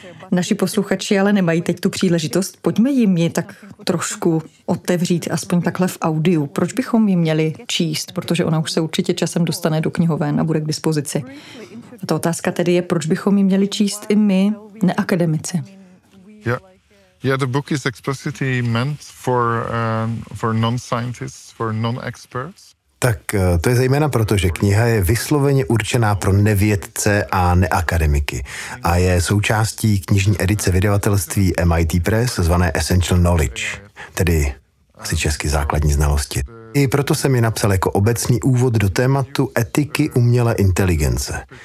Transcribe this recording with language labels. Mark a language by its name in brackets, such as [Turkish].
[Czech] Naši posluchači ale nemají teď tu příležitost, pojďme jim ji tak trošku otevřít, aspoň takhle v audiu. Proč bychom ji měli číst, protože ona už se určitě časem dostane do knihoven a bude k dispozici. A ta otázka tedy je, proč bychom ji měli číst i my, neakademici. [English] The book is explicitly meant for non-scientists, for non-experts. [Czech] Tak to je zejména proto, že kniha je vysloveně určená pro nevědce a neakademiky a je součástí knižní edice vydavatelství MIT Press zvané Essential Knowledge, tedy asi česky základní znalosti. I proto jsem ji napsal jako obecný úvod do tématu etiky umělé inteligence.